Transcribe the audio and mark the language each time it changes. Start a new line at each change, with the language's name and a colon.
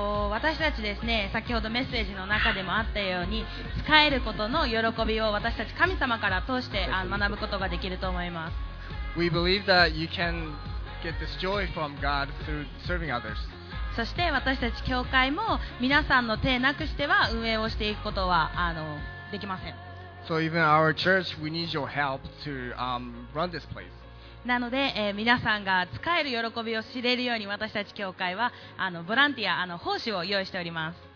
Japanese: 私たちですね、先ほどメッセージの中でもあったように使えることの喜びを私たち神様から通して学ぶことができると思います。
English: We believe that you can get this joy from God through serving others.
Japanese: そして私たち教会も皆さんの手なくしては運営をしていくことはできません。
English: So even our church, we need your help to run this place.
Japanese: なので、皆さんが使える喜びを知れるように私たち教会はボランティア、奉仕を用意しております。